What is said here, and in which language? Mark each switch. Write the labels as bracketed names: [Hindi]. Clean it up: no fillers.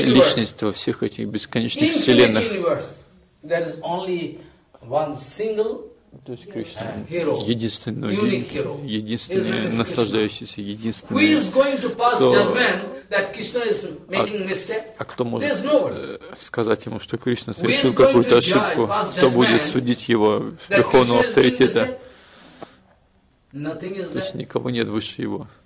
[Russian] личность во всех этих бесконечных вселенных. [English] There is only one single [Russian] То есть Кришна единственный наслаждающийся, единственный. [English] Who is going to pass judgment that Krishna is making mistake? [Russian] А кто может сказать ему, что Кришна совершил какую-то ошибку? Кто будет судить его верховного авторитета? [English] Nothing is [Russian] То есть никого нет выше его.